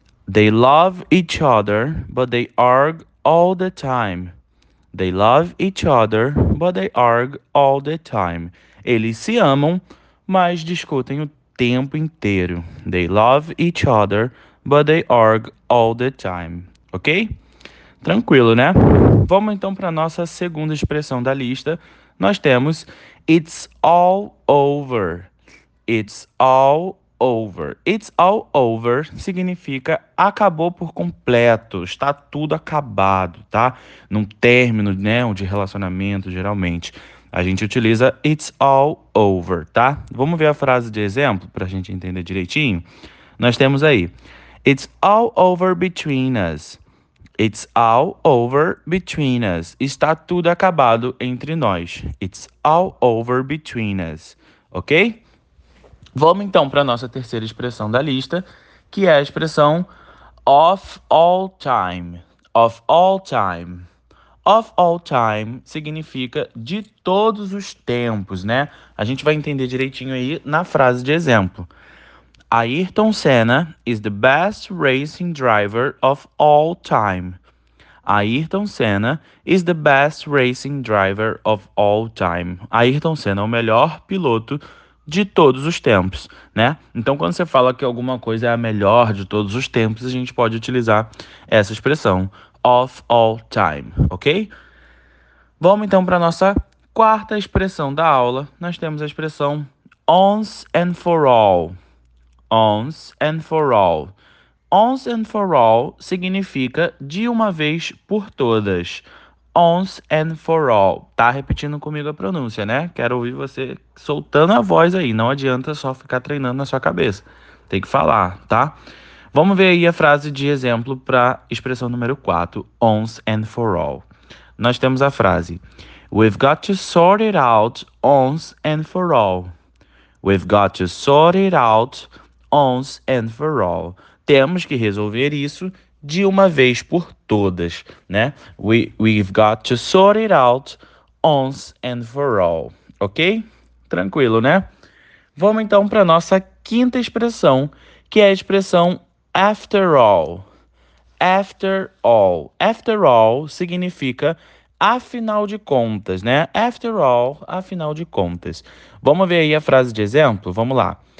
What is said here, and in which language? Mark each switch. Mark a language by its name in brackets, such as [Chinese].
[English] They love each other, but they argue all the time. They love each other, but they argue all the time. [Portuguese] Eles se amam, mas discutem o tempo inteiro. [English] They love each other, but they argue all the time. [Portuguese] Ok? Tranquilo, né? Vamos então para a nossa segunda expressão da lista. Nós temos [English] It's all over. It's all over. It's all over [Portuguese] significa acabou por completo, está tudo acabado, tá? Num término, né, de relacionamento, geralmente, a gente utiliza [English] it's all over, [Portuguese] tá? Vamos ver a frase de exemplo para a gente entender direitinho. Nós temos aí: [English] It's all over between us. It's all over between us. [Portuguese] Está tudo acabado entre nós. [English] It's all over between us. Ok? [Portuguese] Vamos então para a nossa terceira expressão da lista, que é a expressão [English] of all time. [Portuguese] Of all time. Of all time significa de todos os tempos, né? A gente vai entender direitinho aí na frase de exemplo. [English] Ayrton Senna is the best racing driver of all time. Ayrton Senna is the best racing driver of all time. [Portuguese] Ayrton Senna é o melhor piloto de todos os tempos, né? Então, quando você fala que alguma coisa é a melhor de todos os tempos, a gente pode utilizar essa expressão, [English] of all time, [Portuguese] ok? Vamos então para a nossa quarta expressão da aula. Nós temos a expressão [English] once and for all. Once and for all. Once and for all [Portuguese] significa de uma vez por todas. [English] Once and for all. [Portuguese] Tá repetindo comigo a pronúncia, né? Quero ouvir você soltando a voz aí. Não adianta só ficar treinando na sua cabeça. Tem que falar, tá? Vamos ver aí a frase de exemplo para expressão número 4, [English] once and for all. [Portuguese] Nós temos a frase: [English] We've got to sort it out once and for all. We've got to sort it out once and for all. [Portuguese] Temos que resolver isso de uma vez por todas, né? [English] We've got to sort it out once and for all. [Portuguese] Ok? Tranquilo, né? Vamos então para a nossa quinta expressão, que é a expressão [English] after all. After all. After all [Portuguese] significa afinal de contas, né? [English] After all, [Portuguese] afinal de contas. Vamos ver aí a frase de exemplo? Vamos lá.